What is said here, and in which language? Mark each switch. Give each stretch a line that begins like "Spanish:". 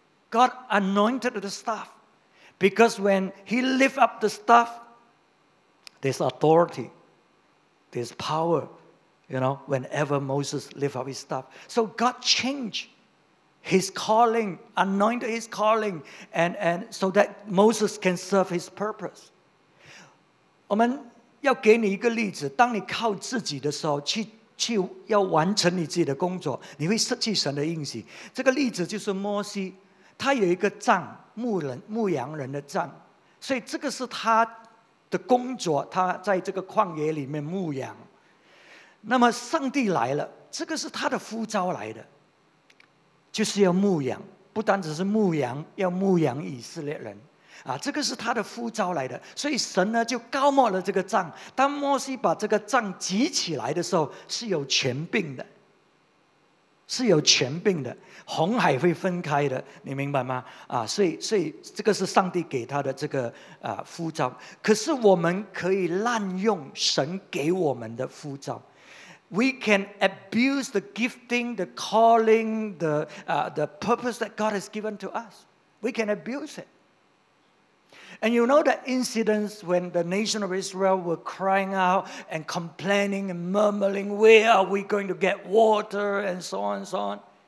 English: God anointed the staff. Because when he lifts up the staff, there's authority, there's power, you know, whenever Moses lifts up his staff. So God changed his calling, anointed his calling, and so that Moses can serve his purpose.
Chinese: 我们要给你一个例子, 当你靠自己的时候, 去要完成你自己的工作, 你会失去神的应许。这个例子就是摩西, 他有一个杖, 牧人, 牧羊人的杖, 所以这个是他的工作, 他在这个旷野里面牧羊。那么上帝来了, 这个是他的呼召来的, 就是要牧羊, 不单只是牧羊, 要牧羊以色列人。啊, 这个是他的呼召来的, 所以神呢, 就高抹了这个杖, 当摩西把这个杖举起来的时候, 是有权柄的, 是有权柄的, 红海会分开的, 你明白吗? 啊, 所以这个是上帝给他的这个, 啊, 呼召, 可是我们可以滥用神给我们的呼召。
English: We can abuse the gifting, the calling, the purpose that God has given to us. We can abuse it. And you know the incidents when the nation of Israel were crying out and complaining and murmuring, where are we going to get water and so on and so on.